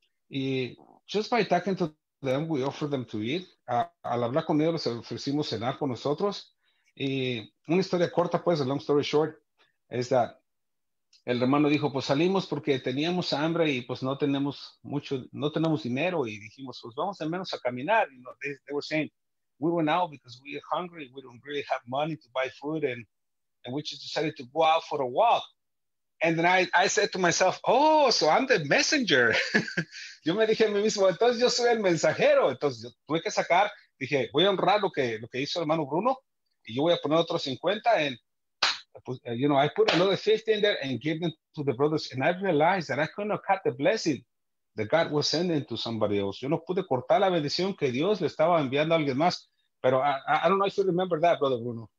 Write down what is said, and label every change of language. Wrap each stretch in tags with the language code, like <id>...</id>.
<en>Y just by talking to them, we offered them to eat.</en> <es>Al hablar con ellos, les ofrecimos cenar con nosotros. Y una historia corta, pues,</es> <en>a long story short,</en> <es>es that el hermano dijo, pues salimos porque teníamos hambre y pues no tenemos dinero. Y dijimos, pues vamos al menos a caminar.</es> <en>You know, they were saying, we went out because we are hungry. We don't really have money to buy food. And we just decided to go out for a walk. And then I said to myself, oh, so I'm the messenger.</en> <es>Yo me dije a mí mismo, entonces yo soy el mensajero. Entonces yo tuve que sacar, dije, voy a honrar lo que hizo el hermano Bruno. Y yo voy a poner otro 50 en...</es> <en>You know, I put another 50 in there and gave them to the brothers. And I realized that I couldn't have cut the blessing that God was sending to somebody else.</en> <es>Yo no pude cortar la bendición que Dios le estaba enviando a alguien más.</es> <en>Pero I don't know if you remember that, Brother Bruno.</en>